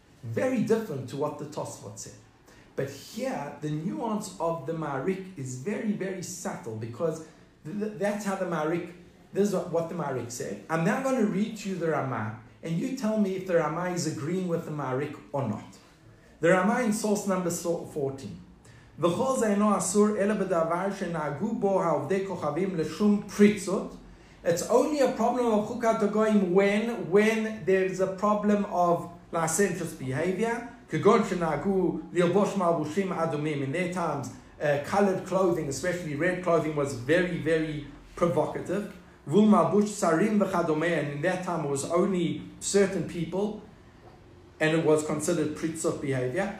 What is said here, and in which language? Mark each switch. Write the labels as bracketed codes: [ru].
[en] Very different to what the Tosfot said. But here, the nuance of the Ma'arik is very, very subtle, because that's how the Ma'arik, this is what the Ma'arik said. I'm now going to read to you the Ramah, and you tell me if the Ramah is agreeing with the Ma'arik or not. The Ramah in source number 14. [he] וכל זה אינו אסור אלא בדבר שנהגו בו העובדי כוכבים לשום פריצות. [en] It's only a problem of chukat hagoyim when there's a problem of licentious behavior. In their times, colored clothing, especially red clothing, was very, very provocative. And in that time, it was only certain people, and it was considered pritzot behavior.